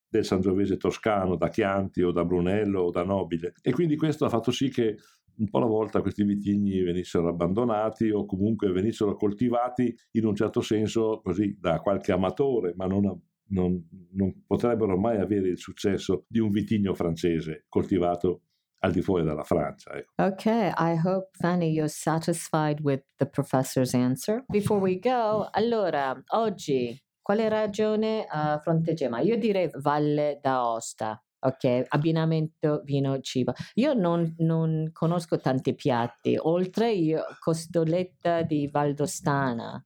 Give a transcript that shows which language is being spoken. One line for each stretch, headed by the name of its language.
Italian: Sangiovese toscano, da Chianti o da Brunello o da Nobile, e quindi questo ha fatto sì che un po' alla volta questi vitigni venissero abbandonati o comunque venissero coltivati in un certo senso così da qualche amatore, ma non potrebbero mai avere il successo di un vitigno francese coltivato al di fuori della Francia.
English: Okay, I hope, Fanny, you're satisfied with the professor's answer. Before we go,
Italian: allora, oggi, quale ragione fronteggiamo? Io direi Valle d'Aosta, ok? Abbinamento, vino, cibo. Io non conosco tanti piatti, oltre io costoletta di Valdostana.